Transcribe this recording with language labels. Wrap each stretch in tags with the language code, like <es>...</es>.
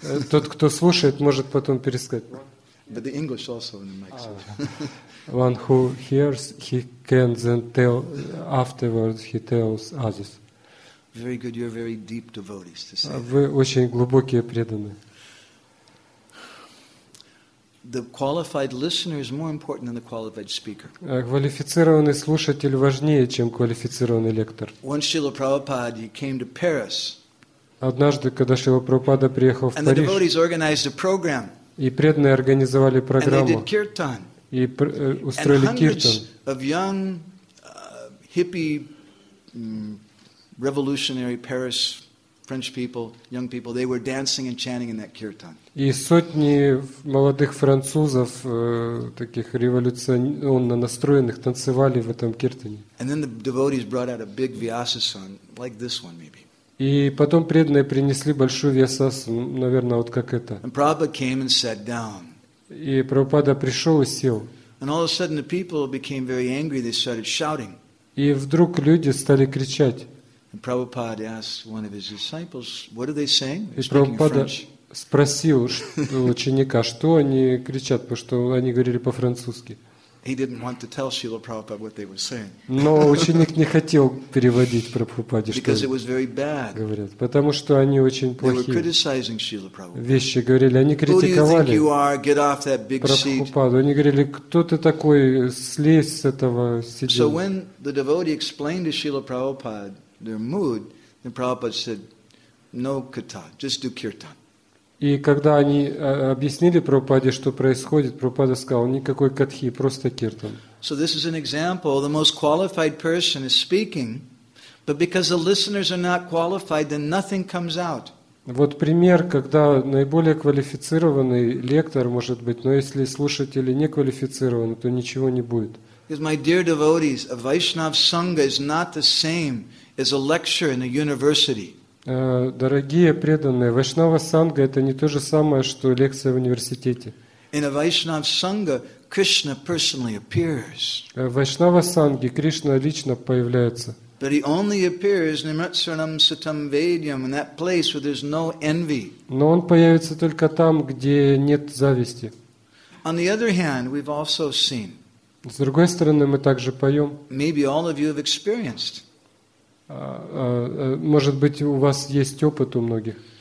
<ru>Тот, кто слушает, может потом пересказать.</ru> <en>But the English also in the mic. One who hears, he can then tell. Afterwards, he tells others. Very good. You're very deep devotees to say.</en> <ru>Вы очень глубокие преданные.</ru> <en>The qualified listener is more important than the qualified speaker.</en> <ru>Квалифицированный слушатель важнее, чем квалифицированный лектор.</ru> <en>Once Srila Prabhupada came to Paris.</en> <ru>Однажды, когда Шрила Прабхупада приехал в Париж.</ru> <en>And the devotees organized a program.</en> <ru>И преданные организовали программу.</ru> <en>And they did kirtan.</en> <ru>И устроили киртан.</ru> <en>And hundreds of young hippie revolutionary Paris French people, young people, they were dancing and chanting in that kirtan.</en> <ru>И сотни молодых французов, таких революционно настроенных, танцевали в этом киртане.</ru> <en>And then the devotees brought out a big vyasasan, like this one maybe.</en> <ru>И потом преданные принесли большую вьясасану, наверное, вот как это.</ru> <en>And Prabhupada came and sat down.</en> <ru>И Прабхупада пришел и сел.</ru> <en>And all of a sudden the people became very angry, they started shouting.</en> <ru>И вдруг люди стали кричать.</ru> <en>And Prabhupada asked one of his disciples, "What are they saying?"</en> <ru>И Прабхупада спросил ученика, что они кричат, потому что они говорили по-французски.</ru> <en>He didn't want to tell Srila Prabhupada what they were saying.</en> <ru>Но ученик не хотел переводить Прабхупаде, что</ru> <en>Because it was very bad.</en> <ru>Говорят, потому что они очень плохие.</ru> <en>They were criticizing Srila Prabhupada.</en> <ru>Вещи говорили, они критиковали.</ru> <en>Who do you think you are? Get off that big seat.</en> <ru>Прабхупаду. Они говорили, кто ты такой, слезь с этого сиденья.</ru> <en>So when the devotee explained to Srila Prabhupada their mood, then Prabhupada said, "No kata, just do kirtan."</en> <ru>И когда они объяснили Прабхупаде, что происходит, Прабхупада сказал, никакой катхи, просто киртан.</ru> <en>So this is an example. The most qualified person is speaking, but because the listeners are not qualified, then nothing comes out.</en> <ru>Вот пример, когда наиболее квалифицированный лектор может быть, но если слушатели не квалифицированы, то ничего не будет.</ru> <en>Because my dear devotees, a Vaishnav Sangha is not the same as a lecture in a university.</en> <ru>Дорогие преданные, Вайшнава Санга это не то же самое, что лекция в университете.</ru> <en>In a Vaishnava Sangha, Krishna personally appears.</en> <ru>В Вайшнава Санге Кришна лично появляется.</ru> <en>But he only appears in Nimratsaranam Satam Vedyam, in that place where there's no envy.</en> <ru>Но он появится только там, где нет зависти.</ru> <en>On the other hand, we've also seen.</en> <ru>С другой стороны, мы также поем.</ru> <en>Maybe all of you have experienced.</en> <ru>Может быть, у вас есть опыт у многих.</ru>